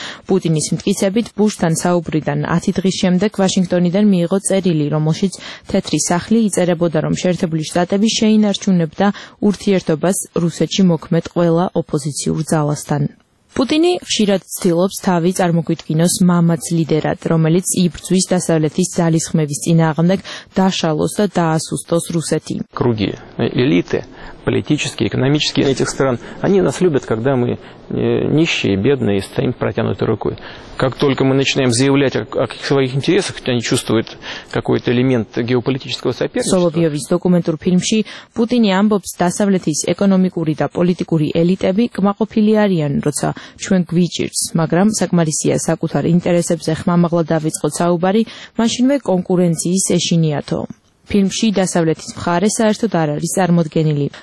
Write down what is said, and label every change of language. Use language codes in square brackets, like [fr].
[ka] პუტინის მტკიცებით, ბუშთან საუბრიდან 10 დღის შემდეგ ვაშინგტონიდან მიიღო წერილი, რომელშიც თეთრი სახლი იწერებოდა, რომ შეერთებული შტატები შეინარჩუნებდა ურთიერთობას რუსეთში მოქმედ ყველა ოპოზიციურ ძალასთან. პუტინი ხშირად ცდილობს თავი წარმოგვიდგინოს მამაც ლიდერად, რომელიც იბრძვის დასავლეთის ძალისხმების წინააღმდეგ დაშალოს და დაასუსტოს რუსეთი. [ru] Круги элиты, политические, экономические этих стран, они нас любят, когда мы нищие, бедные, стоим протянутой рукой. Как только мы начинаем заявлять о своих интересах, они чувствуют какой-то элемент геополитического соперничества. [ka] Соловьёвის დოკუმენტურ ფილმში პუტინი ამბობს, დასავლეთის ეკონომიკური და პოლიტიკური ელიტები კმაყოფილი არიან, როცა ჩვენ გვიჭირს, მაგრამ საკმარისია საკუთარ ინტერესებზე ხმამაღლა დავიწყოთ საუბარი, მაშინვე კონკურენციის ეშინიათო. ფილმში დასავლეთის მხარე საერთოდ არ არის წარმოდგენილი.